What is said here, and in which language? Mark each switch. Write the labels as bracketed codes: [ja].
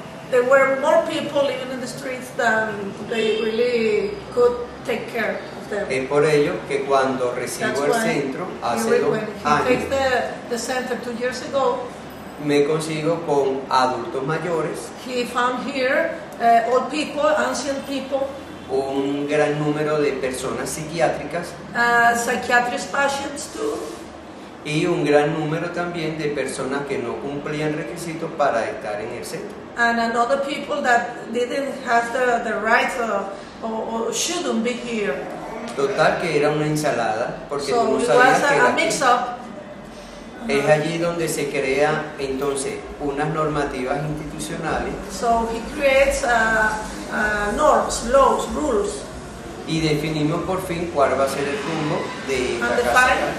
[en] There were more people living in the streets than they really could take care of them. [es] Es por ello que cuando recibo el centro hace dos años, [en] takes the center 2 years ago, [es] me consigo con adultos mayores. [en] He found here old people, ancient people, [es] un gran número de personas psiquiátricas, [en] psychiatric patients too. [es] Y un gran número también de personas que no cumplían requisitos para estar en el centro. [en] And another people that didn't have the right or shouldn't be here. [es] Total que era una ensalada, porque [en] so [es] tú no sabías que era [en] mix up. [es] Es allí donde se crea entonces unas normativas institucionales. [en] So he creates norms, laws, rules. [es] Y definimos por fin cuál va a ser el rumbo de esta [en] and [es] casa.